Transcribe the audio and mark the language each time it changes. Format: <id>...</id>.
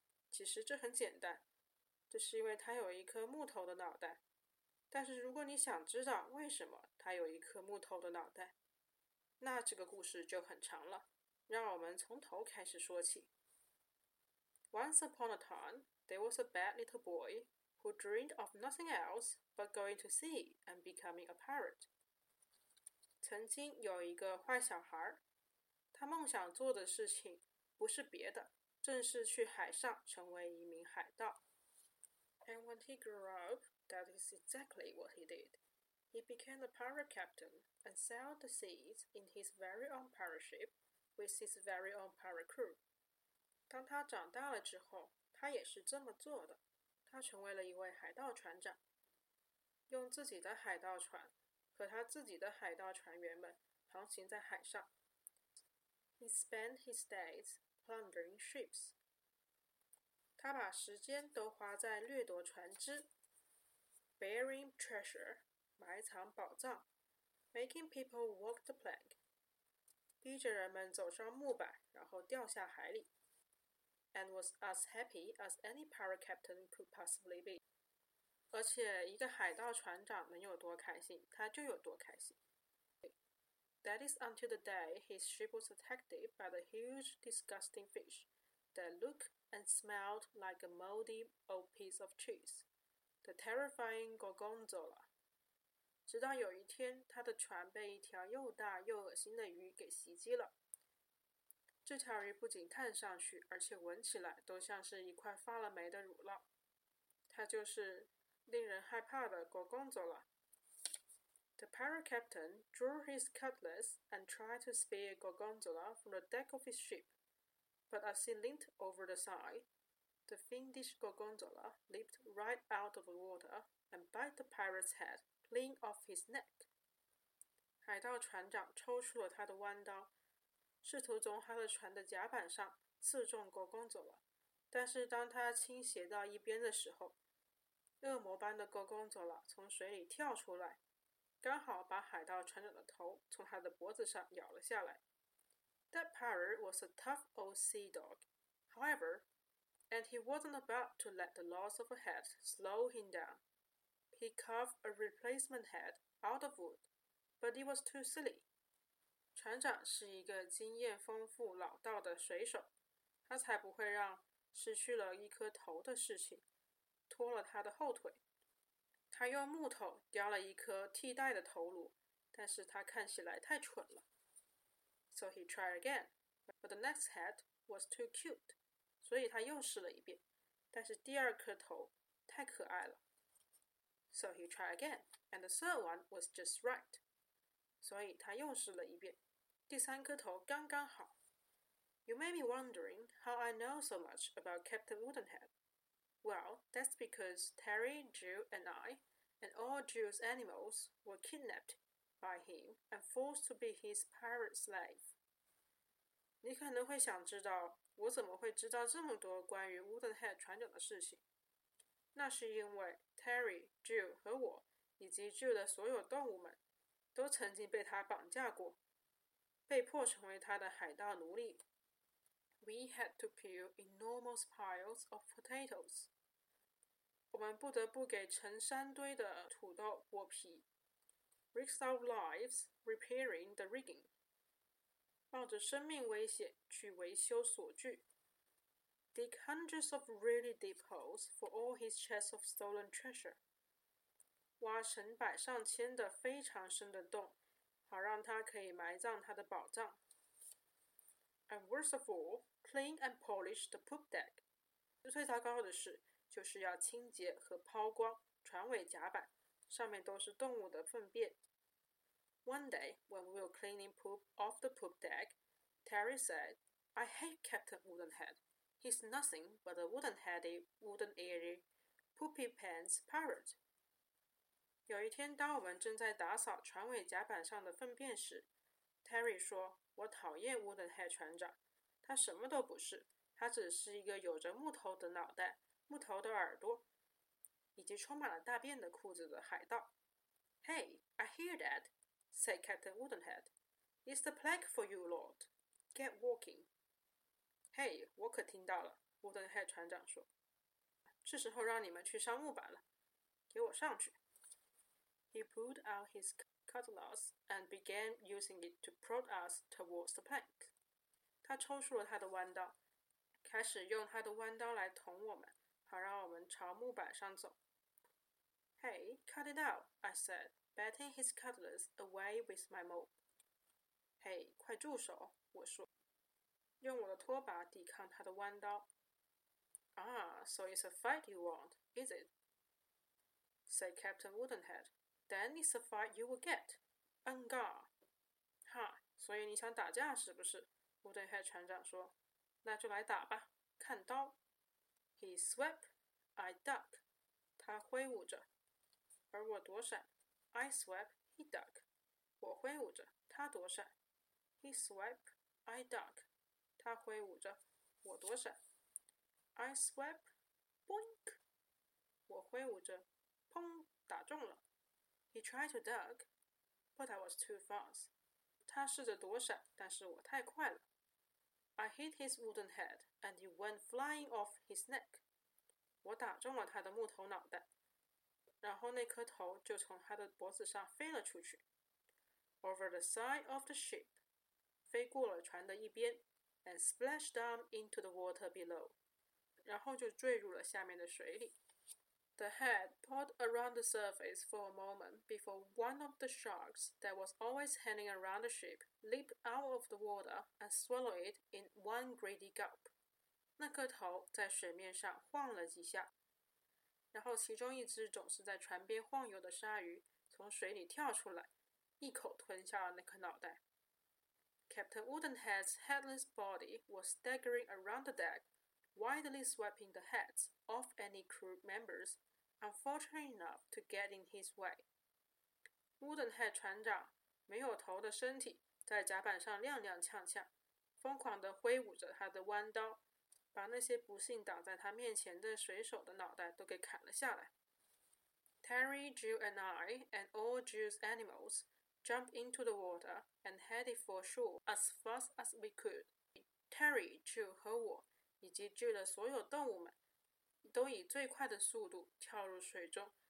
<zh>其实这很简单，这是因为他有一颗木头的脑袋。但是如果你想知道为什么他有一颗木头的脑袋，那这个故事就很长了。让我们从头开始说起。</zh> <en>Once upon a time, there was a bad little boy who dreamed of nothing else but going to sea and becoming a pirate.</en> <zh>曾经有一个坏小孩，他梦想做的事情不是别的。正是去海上成为一名海盗。</zh> <en>And when he grew up, that is exactly what he did. He became a pirate captain and sailed the seas in his very own pirate ship with his very own pirate crew.</en> <zh>当他长大了之后，他也是这么做的。他成为了一位海盗船长，用自己的海盗船和他自己的海盗船员们航行在海上。</zh> <en>He spent his days. Plundering ships.</en> <zh>他把时间都花在掠夺船只。</zh> <en>Burying treasure,</en> <zh>埋藏宝藏。</zh> <en>Making people walk the plank.</en> <zh>逼着人们走上木板，然后掉下海里。</zh> <en>And was as happy as any pirate captain could possibly be.</en> <zh>而且一个海盗船长能有多开心，他就有多开心。</zh> <en>That is until the day his ship was attacked by the huge, disgusting fish that looked and smelled like a moldy old piece of cheese, the terrifying Gorgonzola.</en> <zh>直到有一天，他的船被一条又大又恶心的鱼给袭击了。这条鱼不仅看上去，而且闻起来都像是一块发了霉的乳酪。它就是令人害怕的 Gorgonzola。</zh> <en>The pirate captain drew his cutlass and tried to spear Gorgonzola from the deck of his ship. But as he leaned over the side, the fiendish Gorgonzola leaped right out of the water and bit the pirate's head clean off his neck.</en> <zh>海盗船长抽出了他的弯刀，试图从他的船的甲板上刺中 Gorgonzola。但是当他倾斜到一边的时候，恶魔般的 Gorgonzola 从水里跳出来。刚好把海盗船长的头从他的脖子上咬了下来。</zh> <en>That pirate was a tough old sea dog, however, and he wasn't about to let the loss of a head slow him down. He he carved a replacement head out of wood, but it was too silly.</en> <zh>船长是一个经验丰富老道的水手，他才不会让失去了一颗头的事情拖了他的后腿。他用木头雕了一颗替代的头颅，但是他看起来太蠢了。</zh> <en>So he tried again, but the next head was too cute.</en> <zh>所以他又试了一遍，但是第二颗头太可爱了。</zh> <en>So he tried again, and the third one was just right.</en> <zh>所以他又试了一遍，第三颗头刚刚好。</zh> <en>You may be wondering how I know so much about Captain Woodenhead. Well, that's because Terry, Jill, and I, and all Jill's animals were kidnapped by him and forced to be his pirate slave.</en> <zh>你可能会想知道，我怎么会知道这么多关于 Woodenhead 船长的事情。那是因为 Terry, Jill 和我以及 Jill 的所有动物们都曾经被他绑架过，被迫成为他的海盗奴隶。</zh> <en>We had to peel enormous piles of potatoes.</en> <zh>我们不得不给成山堆的土豆剥皮。</zh> <en>Risked our lives repairing the rigging.</en> <zh>冒着生命危险去维修锁具。</zh> <en>Dig hundreds of really deep holes for all his chests of stolen treasure.</en> <zh>挖成百上千的非常深的洞，好让他可以埋葬他的宝藏。</zh> <en>And worst of all, clean and polish the poop deck.</en> <zh>最糟糕的事就是要清洁和抛光船尾甲板，上面都是动物的粪便。</zh> <en>One day, when we were cleaning poop off the poop deck, Terry said, I hate Captain Woodenhead. He's nothing but a wooden-headed, wooden-eared, poopy-pants pirate.</en> <zh>有一天，当我们正在打扫船尾甲板上的粪便时 ，Terry 说：“我讨厌 Woodenhead 船长，他什么都不是，他只是一个有着木头的脑袋、木头的耳朵，以及充满了大便的裤子的海盗。”</zh> <en>Hey, I hear that, said Captain Woodenhead. It's the plague for you, Lord. Get walking.</en> <zh>Hey, 我可听到了 ,Woodenhead 船长说。是时候让你们去上木板了。给我上去。</zh> <en>He pulled out his cutlass and began using it to prod us towards the plank.</en> <zh>他抽出了他的弯刀，开始用他的弯刀来捅我们，好让我们朝木板上走。</zh> <en>Hey, cut it out, I said, batting his cutlass away with my mop.</en> <zh>Hey, 快住手，我说。用我的拖把抵抗他的弯刀。</zh> <en>Ah, so it's a fight you want, is it? Said Captain Woodenhead. Then it's a fight you will get. Engar.</en> <zh>Ha, 所以你想打架是不是? Woodenhead 船长说。那就来打吧,看刀。</zh> <en>He swept, I duck.</en> <zh>他挥舞着。而我躲闪。</zh> <en>I swept, he duck.</en> <zh>我挥舞着,他躲闪。</zh> <en>He swept, I duck.</en> <zh>他挥舞着，我躲闪。</zh> <en>I swept, boink.</en> <zh>我挥舞着，砰，打中了。</zh> <en>He tried to duck, but I was too fast.</en> <zh>他试着躲闪，但是我太快了。</zh> <en>I hit his wooden head, and it went flying off his neck.</en> <zh>我打中了他的木头脑袋，然后那颗头就从他的脖子上飞了出去。</zh> <en>Over the side of the ship,</en> <zh>飞过了船的一边。</zh> <en>And splash down into the water below.</en> <zh>然后就坠入了下面的水里。</zh> <en>The head popped around the surface for a moment before one of the sharks that was always hanging around the ship leaped out of the water and swallowed it in one greedy gulp.</en> <zh>那颗头在水面上晃了几下。然后其中一只总是在船边晃悠的鲨鱼从水里跳出来，一口吞下了那颗脑袋。</zh> <en>Captain Woodenhead's headless body was staggering around the deck, widely sweeping the heads off any crew members unfortunate enough to get in his way.</en> <zh>Woodenhead 船长没有头的身体在甲板上踉踉跄跄，疯狂地挥舞着他的弯刀，把那些不幸挡在他面前的水手的脑袋都给砍了下来。</zh> <en>Terry, Jill, and I, and all Jill's animals,jumped into the water and headed for shore as fast as we could.</en> <zh>Terry, Jill 和我以及 Jill 的所有动物们都以最快的速度跳入水中</zh>